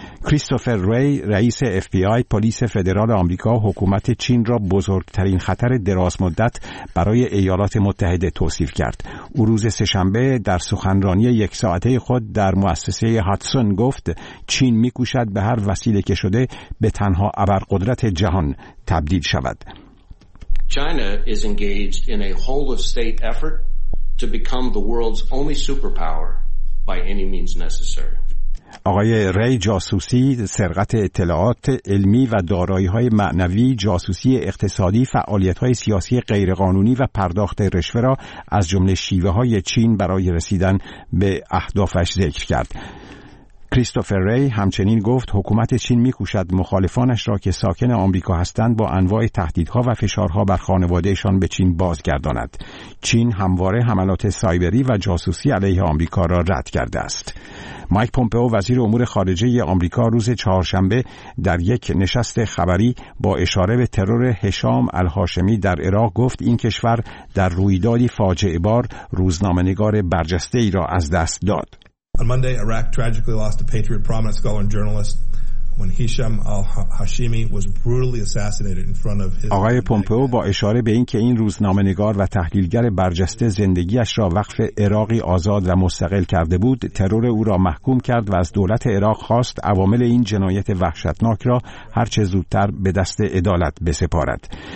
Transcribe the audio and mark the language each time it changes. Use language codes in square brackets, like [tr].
[fa] کریستوفر ری رئیس FBI پلیس فدرال آمریکا حکومت چین را بزرگترین خطر درازمدت برای ایالات متحده توصیف کرد. او روز سه‌شنبه در سخنرانی یک ساعته خود در مؤسسه هاتسون گفت چین می‌کوشد به هر وسیله که شده به تنها ابرقدرت جهان تبدیل شود. [en] China is engaged in a whole of state effort to become the world's only superpower by any means necessary. [fa] آقای ری جاسوسی سرقت اطلاعات علمی و دارایی‌های معنوی، جاسوسی اقتصادی، فعالیت‌های سیاسی غیرقانونی و پرداخت رشوه را از جمله شیوه‌های چین برای رسیدن به اهدافش ذکر کرد. کریستوفر ری همچنین گفت حکومت چین می‌کوشد مخالفانش را که ساکن آمریکا هستند با انواع تهدیدها و فشارها بر خانواده‌شان به چین بازگرداند. چین همواره حملات سایبری و جاسوسی علیه آمریکا را رد کرده است. مایک پومپئو وزیر امور خارجه آمریکا روز چهارشنبه در یک نشست خبری با اشاره به ترور هشام الهاشمی در عراق گفت این کشور در رویدادی فاجعه‌بار روزنامه‌نگار برجسته‌ای را از دست داد. [en] On Monday, Iraq tragically lost a patriot, prominent scholar and journalist when Hisham al-Hashimi was brutally assassinated in front of his. [fa] آقای پومپئو با اشاره به این که این روزنامه‌نگار و تحلیلگر برجسته زندگیش را وقف عراقی آزاد و مستقل کرده بود، ترور او را محکوم کرد و از دولت عراق خواست عوامل این جنایت وحشتناک را هر چه زودتر به دست عدالت بسپارد.